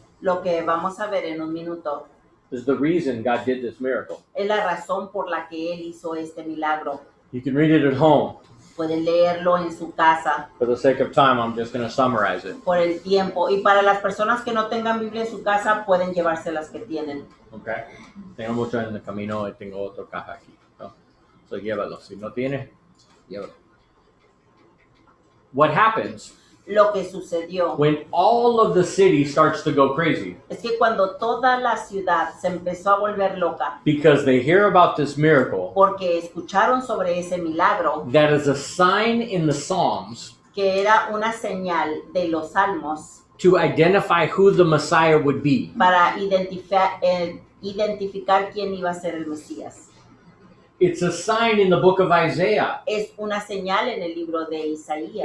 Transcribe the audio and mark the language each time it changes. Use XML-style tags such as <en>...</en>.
<es>Lo que vamos a ver en un minuto.</es> <en>Is the reason God did this miracle.</en> <es>Es la razón por la que Él hizo este milagro.</es> <en>You can read it at home.</en> <es>Puede leerlo en su casa.</es> <en>For the sake of time, I'm just going to summarize it.</en> <es>Por el tiempo. Y para las personas que no tengan Biblia en su casa, pueden llevarse las que tienen.</es> <en>Okay.</en> <es>Tengo mucho en el camino y tengo otra caja aquí. So llévalo. Si no tiene, llévalo.</es> <en>What happens?</en> <es>Lo que sucedió.</es> <en>When all of the city starts to go crazy.</en> <es>Es que cuando toda la ciudad se empezó a volver loca.</es> <en>Because they hear about this miracle.</en> <es>Porque escucharon sobre ese milagro.</es> <en>That is a sign in the Psalms.</en> <es>Que era una señal de los Salmos.</es> <en>To identify who the Messiah would be.</en> <es>Para identificar quién iba a ser el Mesías.</es> <en>It's a sign in the book of Isaiah.</en> <es>Es una señal en el libro de Isaías.</es>